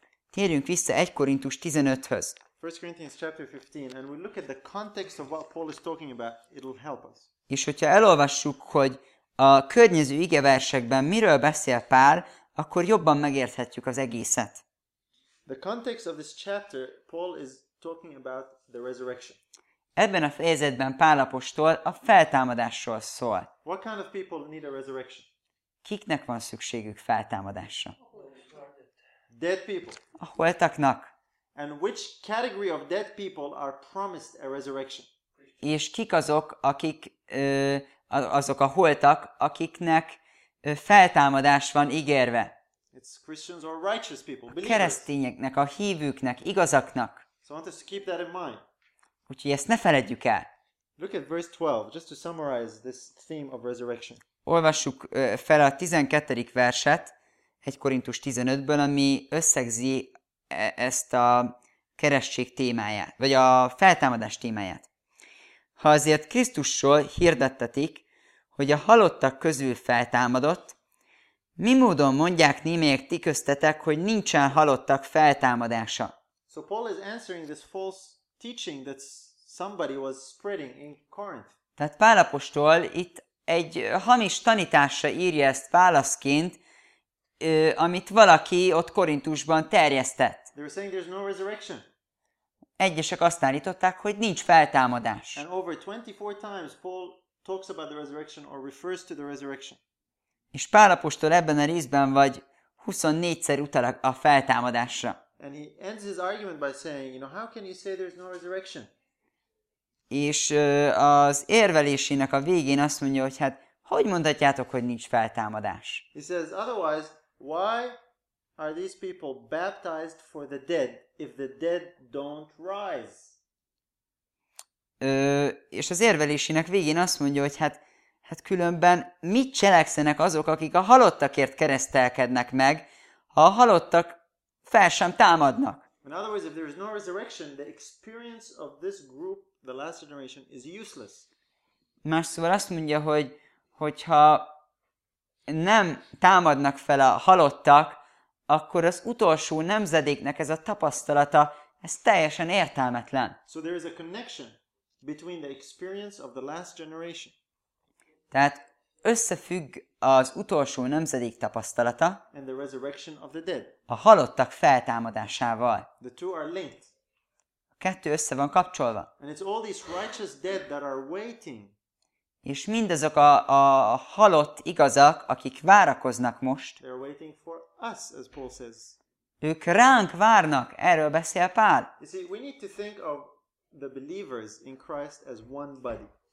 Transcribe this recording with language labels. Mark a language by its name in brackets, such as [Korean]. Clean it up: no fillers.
[Hungarian] Térjünk vissza 1 Korintus 15-höz. [English] 1 Corinthians chapter 15, and we look at the context of what Paul is talking about, it'll help us. [Hungarian] És hogyha elolvassuk, hogy a környező igeversekben miről beszél Pál, akkor jobban megérthetjük az egészet. [English] The context of this chapter, Paul is talking about the resurrection. [Hungarian] Ebben a fejezetben Pál apostol a feltámadásról szól. [English] What kind of people need a resurrection? [Hungarian] Kiknek van szükségük feltámadásra? [English] Dead people. [Hungarian] A holtaknak. [English] And which category of dead people are promised a resurrection? [Hungarian] És kik azok, akik azok a holtak, akiknek feltámadás van ígérve? [English] It's Christians or righteous people, believers. [Hungarian] Keresztényeknek, a hívőknek, igazaknak. [English] So I want us to keep that in mind. [Hungarian] Úgyhogy ezt ne feledjük el. [English] Look at verse 12, just to summarize this theme of resurrection. [Hungarian] Olvassuk fel a 12. verset 1 Korintus 15-ből, ami összegzi ezt a keresztség témáját, vagy a feltámadás témáját. Ha azért Krisztussal hirdettetik, hogy a halottak közül feltámadott, mi módon mondják némelyek ti köztetek, hogy nincsen halottak feltámadása? [English] So Paul is answering this false teaching that somebody was spreading in Corinth. [Hungarian] Tehát Pál apostol itt egy hamis tanításra írja ezt válaszként, amit valaki ott Korintusban terjesztett. [English] They were saying there's no resurrection. [Hungarian] Egyesek azt állították, hogy nincs feltámadás. [English] And over 24 times Paul talks about the resurrection or refers to the resurrection. [Hungarian] És Pál apostol ebben a részben vagy 24-szer utal a feltámadásra. [English] And he ends his argument by saying, you know, how can you say there's no resurrection? [Hungarian] És az érvelésének a végén azt mondja, hogy hát hogy mondhatjátok, hogy nincs feltámadás? [English] He says, otherwise, why are these people baptized for the dead if the dead don't rise? [Hungarian] És az érvelésének végén azt mondja, hogy hát különben mit cselekszenek azok, akik a halottakért keresztelkednek meg, ha a halottak fel sem támadnak. [English] In other words, if there is no resurrection, the experience of this group, the last generation, is useless. [Hungarian] Más szóval azt mondja, hogyha nem támadnak fel a halottak, akkor az utolsó nemzedéknek ez a tapasztalata, ez teljesen értelmetlen. [English] So there is a connection between the experience of the last generation. [Hungarian] Tehát összefügg az utolsó nemzedék tapasztalata [English] and the resurrection of the dead. [Hungarian] A halottak feltámadásával. [English] The two are linked. [Hungarian] A kettő össze van kapcsolva. [English] And it's all these righteous dead that are waiting. [Hungarian] És mindazok a halott igazak, akik várakoznak most. [English] They're waiting for us, as Paul says. [Hungarian] Ők ránk várnak, erről beszél Pál. [English] You see, we need to think of the believers in Christ as one body.